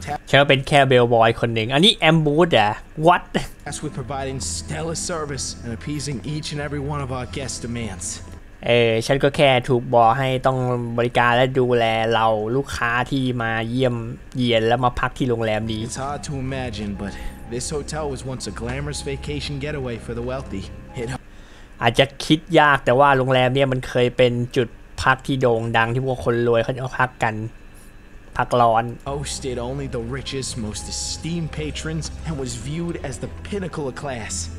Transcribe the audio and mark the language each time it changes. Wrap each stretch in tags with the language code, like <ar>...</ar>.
<th>ฉันเป็นแค่ bellboy คนหนึ่งอันนี้ ambush อะ what?</th> <en>As with providing stellar service and appeasing each and every one of our guests' demands.</en> <th>ฉันก็แค่ถูกบอกให้ต้องบริการและดูแลเราลูกค้าที่มาเยี่ยมเยียนและมาพักที่โรงแรมนี้</th> <en>It's hard to imagine, but this hotel was once a glamorous vacation getaway for the wealthy. It...</en> <th>อาจจะคิดยากแต่ว่าโรงแรมเนี่ยมันเคยเป็นจุดพักที่โด่งดังที่พวกคนรวยเขาชอบพักกันพักร้อน</th> <en>Hosted only the richest most esteemed patrons and was viewed as the pinnacle of class</en>